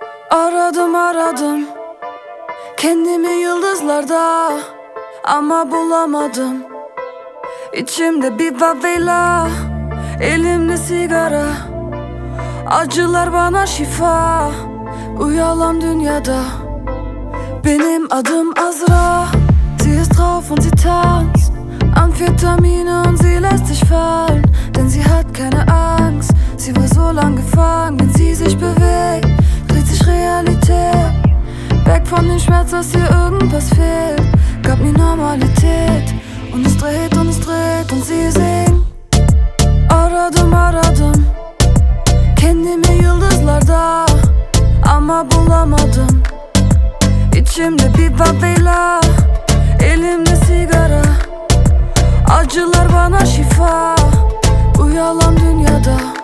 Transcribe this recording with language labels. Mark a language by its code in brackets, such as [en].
[tr] Aradım aradım kendimi yıldızlarda ama bulamadım. İçimde bir vavela, elimde sigara. Acılar bana şifa, uyalan dünyada. Benim adım Azra, [de] sie ist drauf und sie tanzt. Amphetamine und sie lässt sich fallen, denn sie hat keine Angst. Sie war so lang gefangen, wenn sie sich bewegt, dreht sich Realität. Weg von dem Schmerz, dass ihr irgendwas fehlt, gab mir Normalität. Und es dreht und sie singt. [tr] Aradım aradım kendimi yıldızlarda ama bulamadım. İçimde bir vavela, elimde sigara. Acılar bana şifa, uyalan dünyada.